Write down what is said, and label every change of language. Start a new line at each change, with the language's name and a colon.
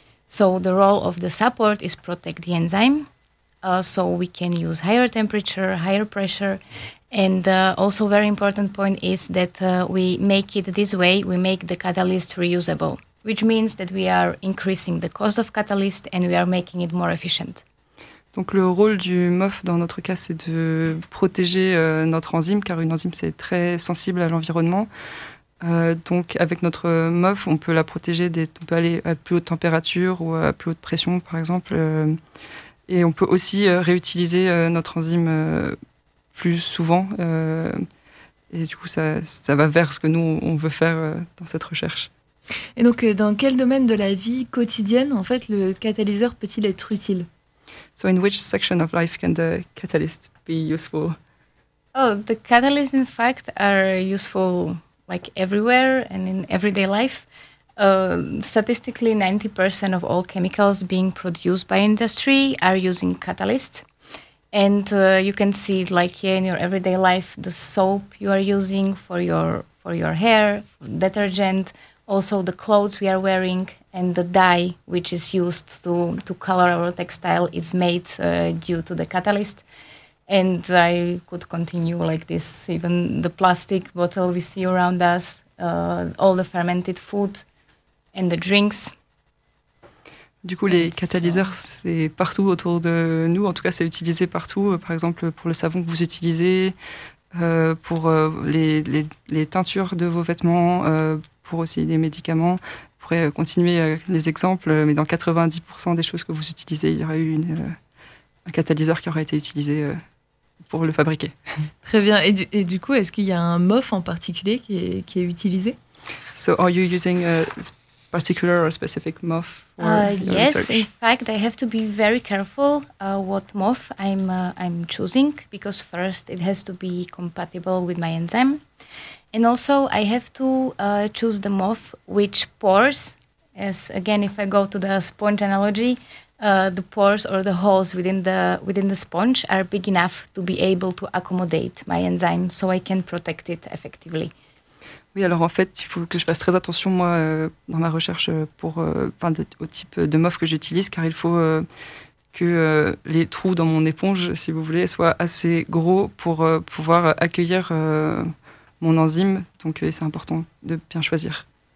English: So the role of the support is protect the enzyme, so we can use higher temperature, higher pressure. And also very important point is that we make it this way, we make the catalyst reusable, which means that we are increasing the cost of catalyst and we are making it more efficient.
French: Donc le rôle du MOF dans notre cas, c'est de protéger notre enzyme, car une enzyme, c'est très sensible à l'environnement. Donc avec notre MOF, on peut la protéger, on peut aller à plus haute température ou à plus haute pression, par exemple. Et on peut aussi réutiliser notre enzyme plus souvent. Et du coup, ça va vers ce que nous, on veut faire dans cette recherche. Et donc, dans quel domaine de la vie quotidienne, en fait, le catalyseur peut-il être utile ?
English: So in which section of life can the catalyst be useful? Oh, the catalysts, in fact, are useful like everywhere and in everyday life. Statistically, 90% of all chemicals being produced by industry are using catalysts. And you can see it like here in your everyday life, the soap you are using for your hair, detergent, also the clothes we are wearing, and the dye which is used to color our textile is made due to the catalyst. And I could continue like this, even the plastic bottle we see around us, all the fermented food and the drinks.
French: Du coup, les catalyseurs, c'est partout autour de nous. En tout cas, c'est utilisé partout. Par exemple, pour le savon que vous utilisez, pour les teintures de vos vêtements, pour aussi les médicaments. Je pourrais continuer les exemples, mais dans 90% des choses que vous utilisez, il y aurait eu un catalyseur qui aurait été utilisé pour le fabriquer. Très bien. Et du coup, est-ce qu'il y a un MOF en particulier qui est utilisé?
English: So, are you using a particular or specific MOF for your yes, research? In fact, I have to be very careful what MOF I'm choosing, because first it has to be compatible with my enzyme. And also, I have to choose the MOF which pores, as again, if I go to the sponge analogy, the pores or the holes within the sponge are big enough to be able to accommodate my enzyme, so I can protect it effectively.
French: Oui, alors en fait, il faut que je fasse très attention, moi, dans ma recherche, au type de MOF que j'utilise, car il faut que les trous dans mon éponge, si vous voulez, soient assez gros pour pouvoir accueillir mon enzyme, donc c'est important de bien choisir.